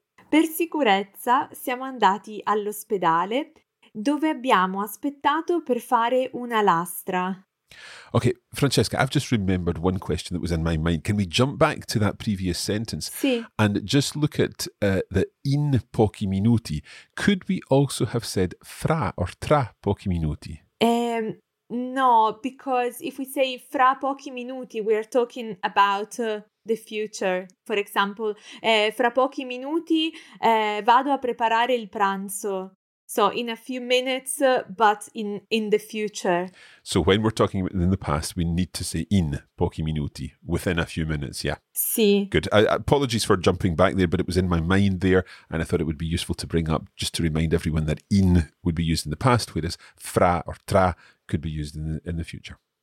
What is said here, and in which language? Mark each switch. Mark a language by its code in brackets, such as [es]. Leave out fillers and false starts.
[it] Per sicurezza siamo andati all'ospedale dove abbiamo aspettato per fare una lastra. [en] Okay, Francesca, I've just remembered one question that was in my mind. Can we jump back to that previous sentence? [it] Sì. [en] And just look at the [it] in pochi minuti. [en] Could we also have said fra or [it] tra pochi minuti? [en] No, because if we say [it] fra pochi minuti, [en] we are talking about the future. For example, [it] fra pochi minuti vado a preparare il pranzo. [en] So in a few minutes, but in the future. So when we're talking in the past, we need to say [it] in pochi minuti, [en] within a few minutes, yeah. [it] Sì. [en] Good. Apologies for jumping back there, but it was in my mind there, and I thought it would be useful to bring up, just to remind everyone that in would be used in the past, whereas fra or tra could be used in the future.